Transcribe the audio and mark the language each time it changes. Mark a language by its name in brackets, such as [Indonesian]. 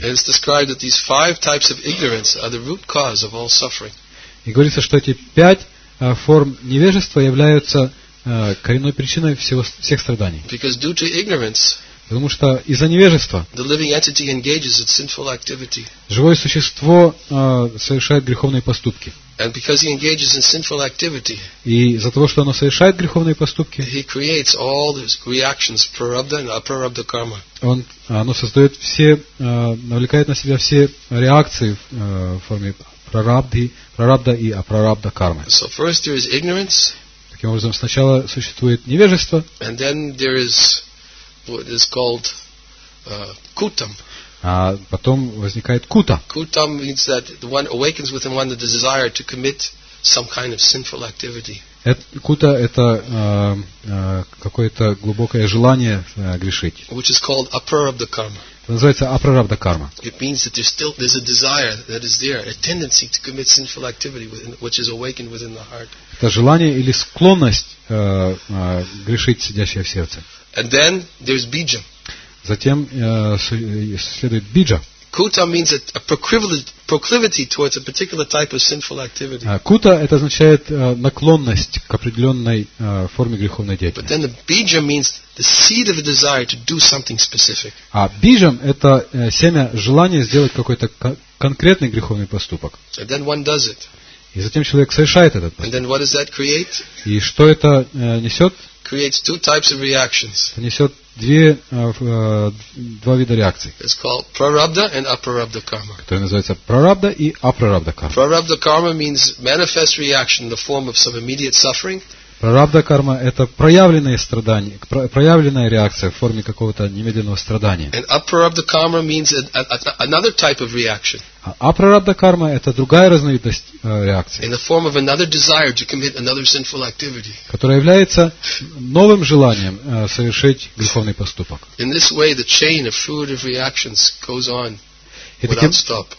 [English] It is described that these five types of ignorance are the root cause of all suffering. [Russian] И говорится, что эти пять форм невежества являются коренной причиной всех страданий. [English] Because due to ignorance, [Russian] потому что из-за невежества [English] the living entity engages in sinful activity. [Russian] Живое существо совершает греховные поступки. [English] And because he engages in sinful activity, [Russian] и из-за того, что оно совершает греховные поступки, [English] he creates all these reactions, prarabdha and aprarabdha karma. [Russian] Оно создает все, навлекает на себя все реакции в форме прарабдха и апрарабдха кармы. [English] So first there is ignorance. [Russian] Таким образом, сначала существует невежество. [English] And then there is what is called kutam. [Russian] А потом возникает кута. [English] Kutam means that one awakens within one the desire to commit some kind of sinful activity. [Russian] Кута это какое-то глубокое желание грешить. [English] Which is called aprarabdha karma. [Russian] Называется апрарабдха карма. [English] It means that there still is a desire that is there, a tendency to commit sinful activity within, which is awakened within the heart. [Russian] Это желание или склонность грешить, сидящая в сердце. [English] And then there's биджа. [Russian] Затем следует биджа. [English] Kuta means a proclivity towards a particular type of sinful activity. [Russian] Кута это означает наклонность к определенной форме греховной деятельности. [English] But then the bija means the seed of a desire to do something specific. [Russian] А бижам это семя желания сделать какой-то конкретный греховный поступок. [English] And then one does it. [Russian] И затем человек совершает этот поступок. [English] And then what does that create? [Russian] И что это несет? [English] Creates two types of reactions. [Russian] Несет два вида реакций. [English] It's called prarabdha and aprarabdha karma. [Russian] Которые называются прарабдха и апрарабдха карма. [English] Prarabdha karma means manifest reaction in the form of some immediate suffering. [Russian] Прарабдха карма это проявленное страдание, проявленная реакция в форме какого-то немедленного страдания. [English] And aprarabdha karma means another type of reaction. [Russian] Апрарабдха карма это другая разновидность реакции. [English] In the form of another desire to commit another sinful activity. [Russian] Которая является новым желанием совершить греховный поступок. [English] In this way the chain of fruitive reactions goes on without stop.